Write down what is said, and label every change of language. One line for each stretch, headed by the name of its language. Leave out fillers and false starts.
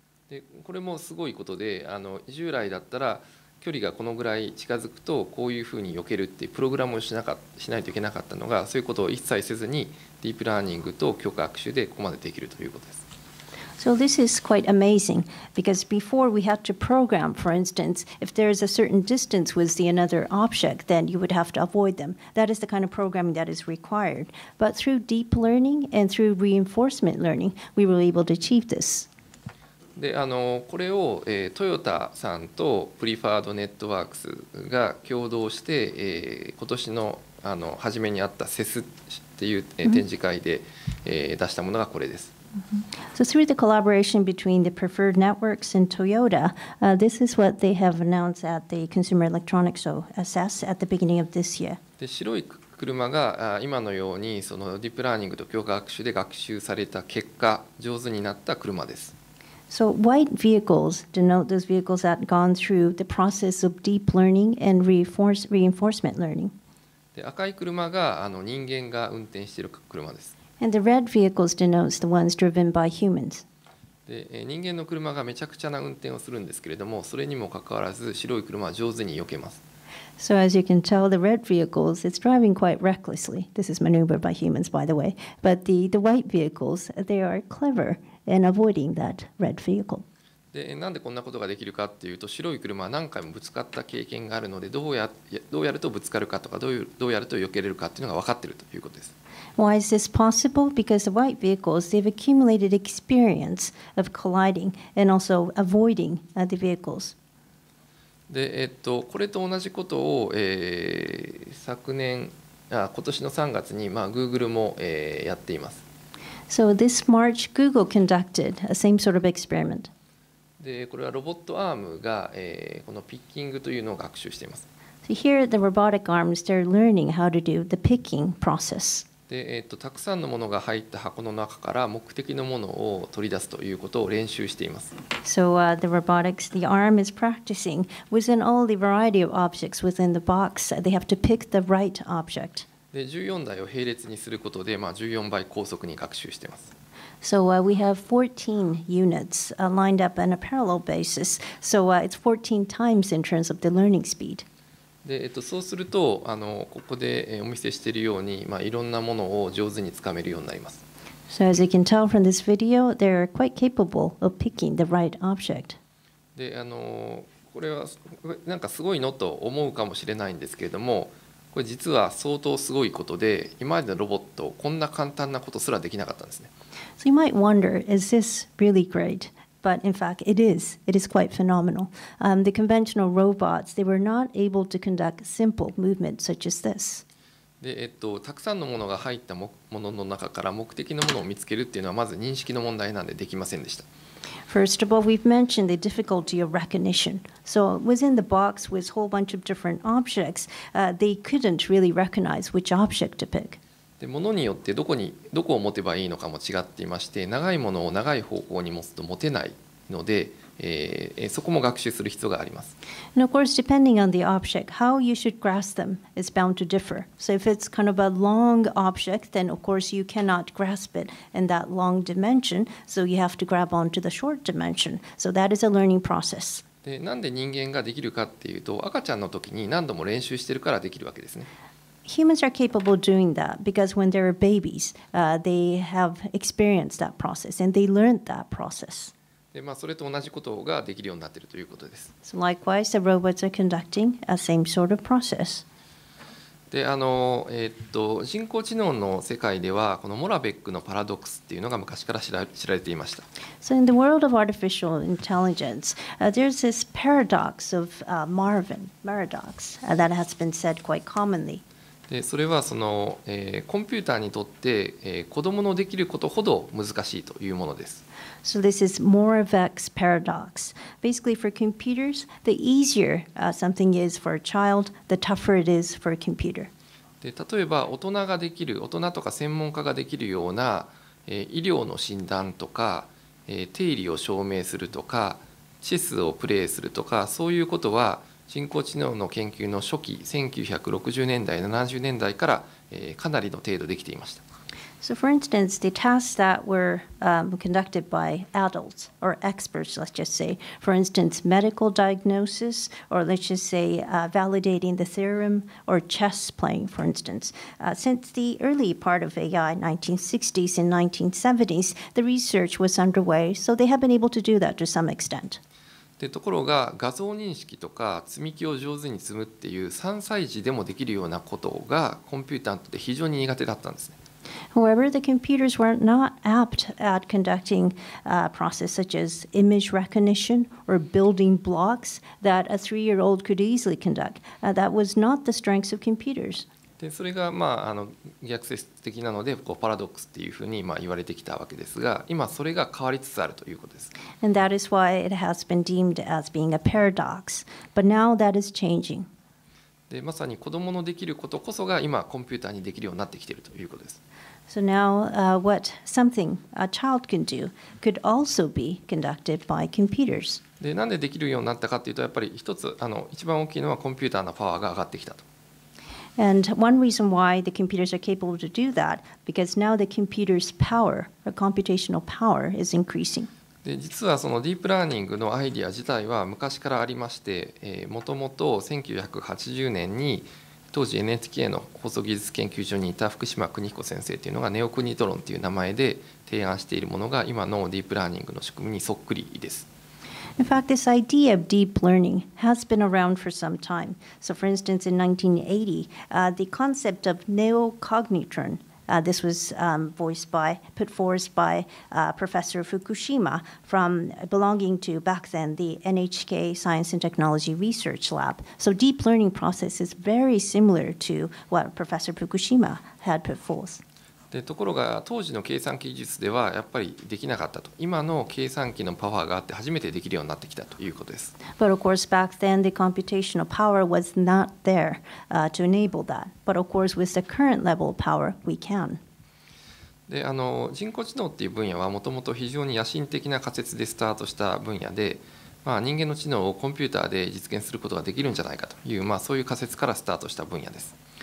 Japanese: で、これもすごいことで、従来だったら距離がこのぐらい近づくとこういうふうに避けるっていうプログラムをしないといけなかったのが、そういうことを一切せずにディープラーニングと強化学習でここまでできるということです。
English: So this is quite amazing because before we had to program, for instance, if there is a certain distance with the another object, then you would have to avoid them. That is the kind of programming that is required. But through deep learning and through reinforcement learning, we were able to achieve this.
Japanese: で、これを、トヨタさんとプリファードネットワークスが共同して、今年の、初めにあったCESっていう、展示会で、出したものがこれです。
English: So through the collaboration between the preferred networks and Toyota, this is what they have announced at the Consumer Electronics Show SS at the beginning of this year.
Japanese: で、白い車が今のようにそのディープラーニングと強化学習で学習された結果、上手になった車です。
English: So white vehicles denote those vehicles that gone through the process of deep learning and reinforcement learning.
Japanese: で、赤い車が人間が運転している車です。
English: And the red vehicles denotes the ones driven by humans.
Japanese: で、人間の車がめちゃくちゃな運転をするんですけれども、それにもかかわらず白い車は上手に避けます。
English: So as you can tell, the red vehicles, it's driving quite recklessly. This is maneuver by humans, by the way. But the white vehicles, they are clever in avoiding that red vehicle.
Japanese: で、なんでこんなことができるかっていうと、白い車は何回もぶつかった経験があるので、どうやるとぶつかるかとか、どうやると避けれるかっていうのが分かってるということです。
English: Why is this possible? Because the white vehicles, they've accumulated experience of colliding and also avoiding the vehicles.
Japanese: で、これと同じことを、今年の3月に、Google も、やっています。
English: So this March, Google conducted a same sort of experiment.
Japanese: で、これはロボットアームが、このピッキングというのを学習しています。
English: So here, the robotic arms, they're learning how to do the picking process.
Japanese: で、たくさんのものが入った箱の中から目的のものを取り出すということを練習しています。
English: So, the robotics, the arm is practicing within all the variety of objects within the box. They have to pick the right object.
Japanese: で、14台を並列にすることで、14倍高速に学習しています。
English: So, we have 14 units, lined up on a parallel basis. So, it's 14 times in terms of the learning speed.
Japanese: で、そうすると、ここでお見せしているように、いろんなものを上手につかめるようになります。
English: So as you can tell from this video, they're quite capable of picking the right object.
Japanese: で、これはなんかすごいのと思うかもしれないんですけれども、これ実は相当すごいことで、今までのロボット、こんな簡単なことすらできなかったんですね。
English: So you might wonder, is this really great? but in fact it is. It is quite phenomenal. The conventional robots, they were not able to conduct simple movements such as this.
Japanese: で、たくさんのものが入ったものの中から目的のものを見つけるっていうのはまず認識の問題なんでできませんでした。
English: First of all, we've mentioned the difficulty of recognition. So within the box with a whole bunch of different objects, they couldn't really recognize which object to pick.
Japanese: で、物によってどこを持てばいいのかも違っていまして、長いものを長い方向に持つと持てないので、そこも学習する必要があります。
English: And of course, depending on the object, how you should grasp them is bound to differ. So if it's kind of a long object, then of course you cannot grasp it in that long dimension. So you have to grab onto the short dimension. So that is a learning process.
Japanese: で、なんで人間ができるかっていうと、赤ちゃんの時に何度も練習してるからできるわけですね。
English: Humans are capable of doing that because when they're babies, they have experienced that process and they learned that process.
Japanese: で、まあ、それと同じことができるようになっているということです。
English: So likewise, the robots are conducting a same sort of process.
Japanese: で、人工知能の世界ではこのモラベックのパラドックスっていうのが昔から知られていました。
English: So in the world of artificial intelligence, there's this paradox of Marvin paradox that has been said quite commonly.
Japanese: で、それはその、コンピューターにとって、子供のできることほど難しいというものです。
English: So this is Moravec's paradox. Basically, for computers, the easier something is for a child, the tougher it is for a computer.
Japanese: で、例えば大人ができる、大人とか専門家ができるような、医療の診断とか、定理を証明するとか、チェスをプレイするとか、そういうことは人工知能の研究の初期、1960年代、70年代から、かなりの程度できていました。
English: So for instance, the tasks that were conducted by adults or experts, let's just say, for instance, medical diagnosis, or let's just say validating the theorem or chess playing, for instance. Since the early part of AI, 1960s and 1970s, the research was underway, so they have been able to do that to some extent.
Japanese: で、ところが画像認識とか積み木を上手に積むっていう3歳児でもできるようなことがコンピューターにとって非常に苦手だったんですね。
English: However, the computers were not apt at conducting processes such as image recognition or building blocks that a three-year-old could easily conduct. That was not the strengths of computers.
Japanese: で、それが、まあ、逆説的なので、こう、パラドックスっていうふうに、まあ、言われてきたわけですが、今それが変わりつつあるということです。
English: And that is why it has been deemed as being a paradox. But now that is changing.
Japanese: で、まさに子どものできることこそが今コンピューターにできるようになってきているということです。
English: So now, what something a child can do could also be conducted by computers.
Japanese: で、なんでできるようになったかというと、やっぱり一つ一番大きいのはコンピューターのパワーが上がってきたと。
English: And one reason why the computers are capable to do that because now the computer's power, or computational power, is increasing.
Japanese: で、実はそのディープラーニングのアイディア自体は昔からありまして、もともと1980年に当時 NHK の放送技術研究所にいた福島邦彦先生というのがネオクニトロンという名前で提案しているものが今のディープラーニングの仕組みにそっくりです。
English: In fact, this idea of deep learning has been around for some time. So for instance, in 1980, the concept of neocognitronThis was put forth by Professor Fukushima from belonging to back then the NHK Science and Technology Research Lab. So deep learning process is very similar to what Professor Fukushima had put forth.
Japanese: で、ところが当時の計算機技術ではやっぱりできなかったと。今の計算機のパワーがあって初めてできるようになってきたということです。
English: But of course back then the computational power was not there to enable that. But of course with the current level of power we can.
Japanese: で、人工知能っていう分野はもともと非常に野心的な仮説でスタートした分野で、まあ、人間の知能をコンピューターで実現することができるんじゃないかという、まあ、そういう仮説からスタートした分野です。